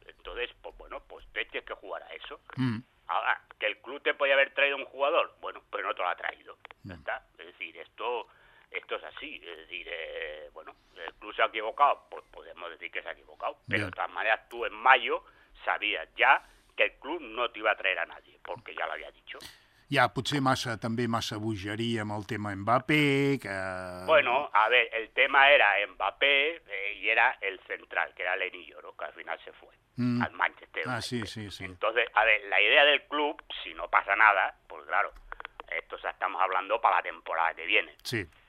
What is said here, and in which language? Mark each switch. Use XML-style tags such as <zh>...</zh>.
<es>Entonces, pues bueno, pues tienes que jugar a eso. Ahora, que el club te podía haber traído un jugador, bueno, pero no te lo ha traído. ¿Está? Es decir, esto es así, es decir, bueno, el club se ha equivocado, pues podemos decir que se ha equivocado, pero de todas maneras tú en mayo sabías ya que el club no te iba a traer a nadie, porque ya lo había dicho.</es> <ca>Ja, potser massa, també massa bogeria amb el tema Mbappé, que...</ca> <es>Bueno, a ver, el tema era Mbappé y era el central, que era Leny Yoro, que al final se fue al Manchester United. Ah, sí. Entonces, a ver, la idea del club, si no pasa nada, pues claro, esto ya estamos hablando para la temporada que viene. Sí.</es>